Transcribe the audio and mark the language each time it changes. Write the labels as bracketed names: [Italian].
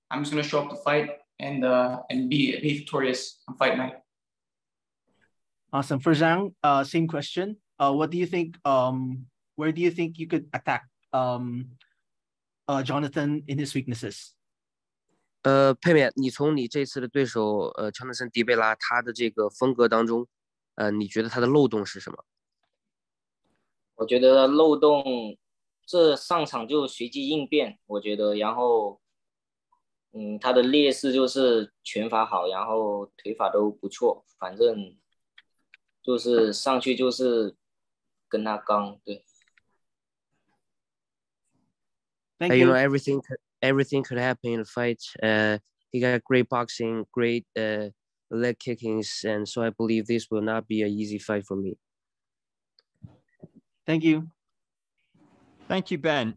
[English] I'm just going to show up to fight and be victorious on fight night. Awesome. For Zhang, same question. What do you think, where do you think you could attack Jonathan in his weaknesses? [Chinese] Peimian, 你从你这次的对手乔纳森·迪贝拉他的这个风格当中，你觉得他的漏洞是什么？我觉得漏洞，这上场就随机应变，我觉得，然后他的劣势就是拳法好，然后腿法都不错，反正就是上去就是跟他刚，对。 [English] Thank you. You know, everything could happen in a fight. He got great boxing, great leg kickings, and so I believe this will not be an easy fight for me. Thank you. Thank you, Ben.